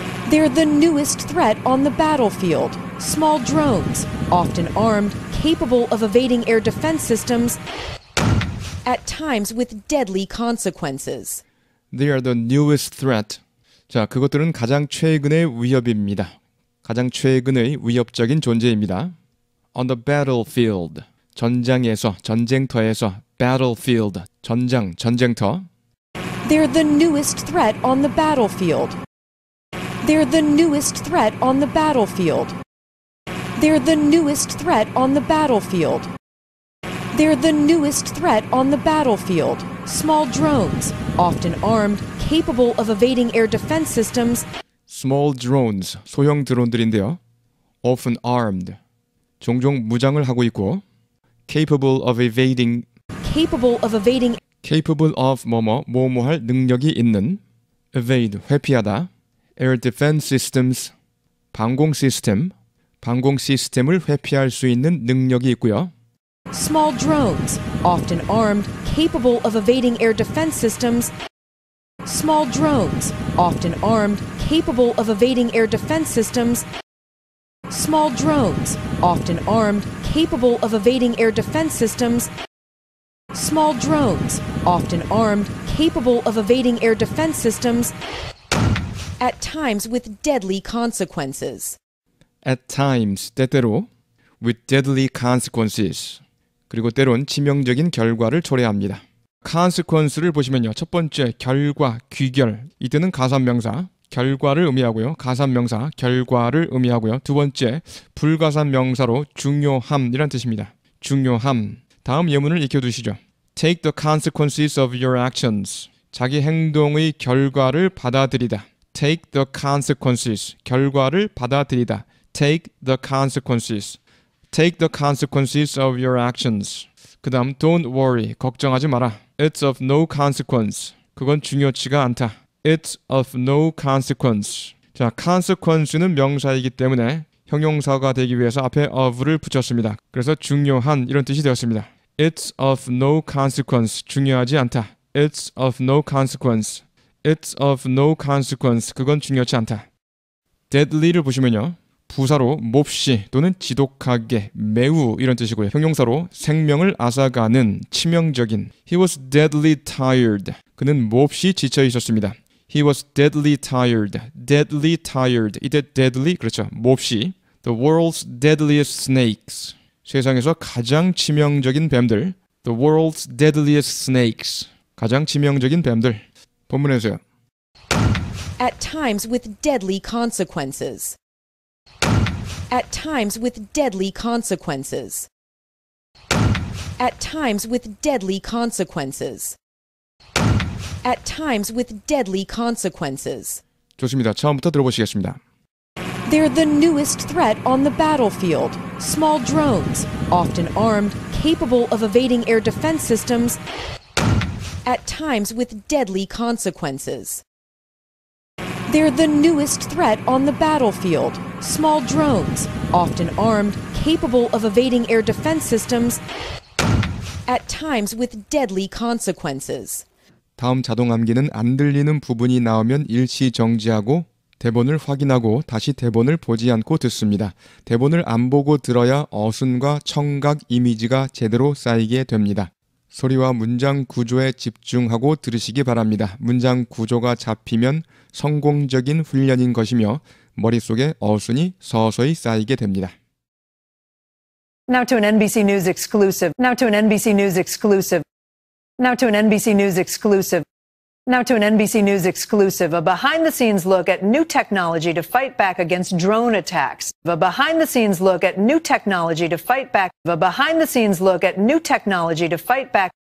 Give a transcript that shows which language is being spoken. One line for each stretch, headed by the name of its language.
English: They're the newest threat on the battlefield. Small drones, often armed, capable of evading air defense systems, at times with deadly consequences. They are the newest threat.
Korean: 자, 그것들은 가장 최근의 위협입니다. 가장 최근의 위협적인 존재입니다.
English: On the battlefield.
Korean: 전장에서, 전쟁터에서.
English: Battlefield.
Korean: 전장, 전쟁터.
English: They're the newest threat on the battlefield. They're the newest threat on the battlefield. They're the newest threat on the battlefield. They're the newest threat on the battlefield. Small drones, often armed, capable of evading air defense systems. Small drones,
Korean: 소형 드론들인데요.
English: Often armed,
Korean: 종종 무장을 하고 있고.
English: Capable of evading. Capable of evading.
Korean: Capable of 뭐뭐, 뭐뭐 할 능력이 있는. Evade, 회피하다.
English: Air defense systems,
Korean: 방공 시스템. 방공 시스템을 회피할 수 있는 능력이 있고요.
English: Small drones, often armed, capable of evading air defense systems. Small drones, often armed, capable of evading air defense systems. Small drones, often armed, capable of evading air defense systems. Small drones, often armed, capable of evading air defense systems. At times with deadly consequences. At times,
Korean: 때때로.
English: With deadly consequences.
Korean: 그리고 때론 치명적인 결과를 초래합니다.
English: Consequence를 보시면요.
Korean: 첫 번째, 결과, 귀결. 이때는 가산명사, 결과를 의미하고요. 가산명사, 결과를 의미하고요. 두 번째, 불가산명사로 중요함이란 뜻입니다. 중요함. 다음 예문을 익혀두시죠.
English: Take the consequences of your actions.
Korean: 자기 행동의 결과를 받아들이다.
English: Take the consequences.
Korean: 결과를 받아들이다.
English: Take the consequences. Take the consequences of your actions.
Korean: 그 다음,
English: don't worry.
Korean: 걱정하지 마라.
English: It's of no consequence.
Korean: 그건 중요치가 않다.
English: It's of no consequence.
Korean: 자, consequence는 명사이기 때문에 형용사가 되기 위해서 앞에 of를 붙였습니다. 그래서 중요한 이런 뜻이 되었습니다.
English: It's of no consequence.
Korean: 중요하지 않다.
English: It's of no consequence. It's of no consequence.
Korean: 그건 중요치 않다. Deadly를 보시면요. 부사로 몹시 또는 지독하게, 매우 이런 뜻이고요. 형용사로 생명을 앗아가는, 치명적인.
English: He was deadly tired.
Korean: 그는 몹시 지쳐 있었습니다.
English: He was deadly tired. Deadly tired.
Korean: 이때 deadly, 그렇죠. 몹시.
English: The world's deadliest snakes.
Korean: 세상에서 가장 치명적인 뱀들.
English: The world's deadliest snakes.
Korean: 가장 치명적인 뱀들. 본문에서요.
English: At times with deadly consequences. At times with deadly consequences. At times with deadly consequences. At times with deadly consequences.
Korean: 좋습니다. 처음부터 들어보시겠습니다. They're the newest threat on the battlefield. Small drones, often armed, capable of evading air defense systems. At times with deadly consequences. They're the newest threat on the battlefield. Small drones, often armed, capable of evading air defense systems. At times with deadly consequences. 다음 자동 암기는 안 들리는 부분이 나오면 일시 정지하고 대본을 확인하고 다시 대본을 보지 않고 듣습니다. 대본을 안 보고 들어야 어순과 청각 이미지가 제대로 쌓이게 됩니다. 소리와 문장 구조에 집중하고 들으시기 바랍니다. 문장 구조가 잡히면 성공적인 훈련인 것이며 머릿속에 어순이 서서히 쌓이게 됩니다.
English: Now to an NBC News exclusive. Now to an NBC News exclusive. Now to an NBC News exclusive. Now to an NBC News exclusive. A behind-the-scenes look at new technology to fight back against drone attacks. A behind-the-scenes look at new technology to fight back. A behind-the-scenes look at new technology to fight back.